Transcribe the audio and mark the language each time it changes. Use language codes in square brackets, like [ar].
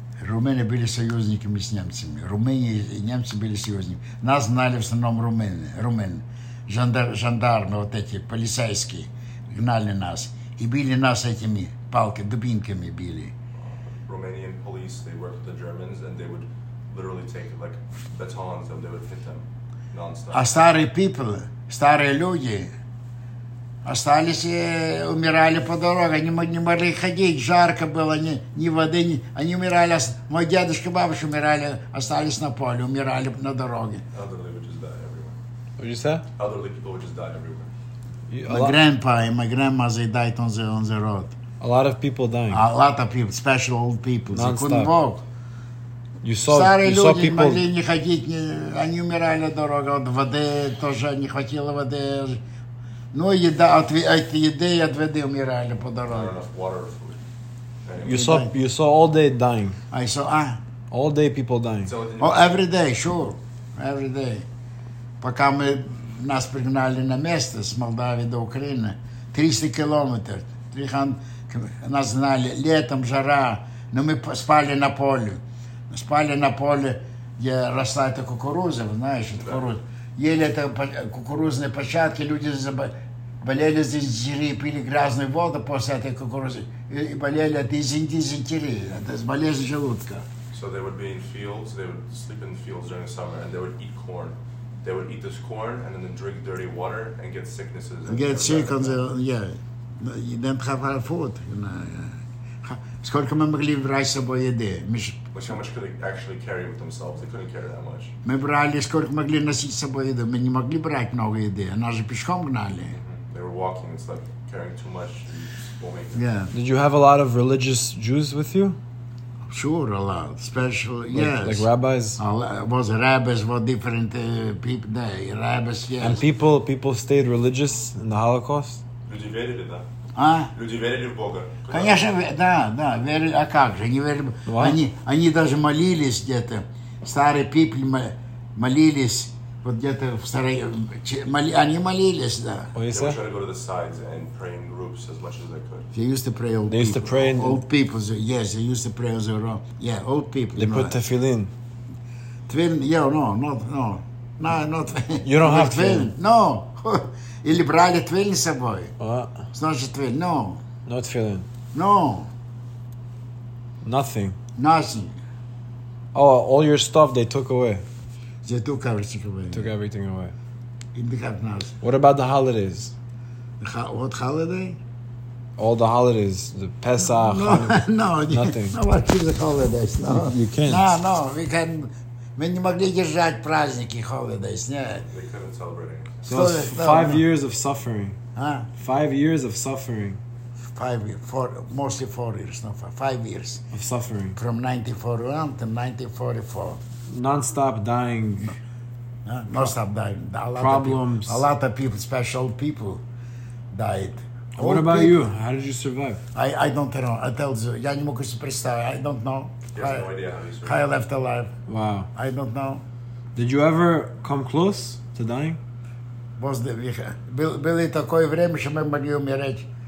[ru] Румыния были союзниками с немцами. Румыния и немцы были союзниками. Нас знали в основном румыны. Жандармы вот эти, полицейские, гнали нас. И били нас этими палками, дубинками били. [en] Romanian police, they worked with the Germans, and they would literally take, like, batons, and they would hit them nonstop. [ru] А старые [en] people, [ru] старые люди, остались, умирали по дороге, они не могли ходить, жарко было, ни воды, ни, они умирали, мой дедушка, бабушка умирали, остались на поле, умирали на дороге. [en] Elderly would just die everywhere. What did you say? Elderly people would just die everywhere. My grandpa and my grandma, they died on the road. A lot of people dying. A lot of people, special old people. Non-stop. They couldn't walk. You saw people. [ru] Старые люди могли не ходить, они умирали на дороге, от воды тоже не хватило воды. Ну, еда, от еды и от воды умирали по дороге. [en] Not enough water or food. You saw all day dying. I saw, All day people dying. So every day, sure. Every day. [ru] Пока мы нас пригнали на место с Молдавии до Украины, 300 километров. Нас знали, летом жара, но мы спали на поле. Спали на поле, где росла эта кукуруза, знаешь, эта кукуруза. Ели это кукурузные початки, люди болели за дизентерией, пили грязную воду после этой кукурузы и болели от дизентерии, от болезни желудка. [en] So they would be in fields, they would sleep in fields during the summer, and they would eat corn. They would eat this corn and then drink dirty water and get sicknesses. And get sick on the, yeah. You don't have our food. You know. [ru] Сколько мы могли брать с собой еды? [en] How much could they actually carry with themselves? They couldn't carry that much. [ru] Мы брали, сколько могли носить с собой еды. Мы не могли брать много еды. Нас же пешком гнали. Mm-hmm. [en] They were walking. It's like carrying too much. Yeah. Did you have a lot of religious Jews with you? Sure, a lot. Special, like, yes. Like rabbis? Was rabbis, were different people there. Rabbis, yes. And people stayed religious in the Holocaust? [ru] Люди верили, да. А? Люди верили в Бога. Конечно, да, верили, а как же, они верили, они даже молились где-то, старые [en] пипли [ru] молились, вот где-то в старые, они молились, да. [en] What they were trying to go to the sides and pray in groups as much as they could. They used to pray old they people. They used to pray in... Old people, yes, they used to pray on their own. Yeah, old people. They put tefillin. Tefillin, yeah, no, not You don't have tefillin. No. [ru] Или брали твилин с собой? [en] What? [ru] Значит, твилин, [en] no. No твилин? No. Nothing? Nothing. Oh, all your stuff they took away? They took everything away. Took everything away. In the house. What about the holidays? What holiday? All the holidays. The Pesach. No. Nothing. No, what is the holidays? No. You can't. No, we can't. [ru] Мы не могли держать праздники, [en] holidays, [ru] нет. [en] They couldn't celebrate it. So it's 5 years of suffering. Huh? 5 years of suffering. Five years. Of suffering. From 1941 to 1944. Non-stop dying. Non-stop dying. A lot problems. A lot of people, special people, died. Old what about people. You? How did you survive? I don't know. I tell you. [ru] Я не могу себе представить. [en] I don't know. He has no idea how I left alive. Wow. I don't know. Did you ever come close to dying? [ru] Было такое время, что мы могли умереть.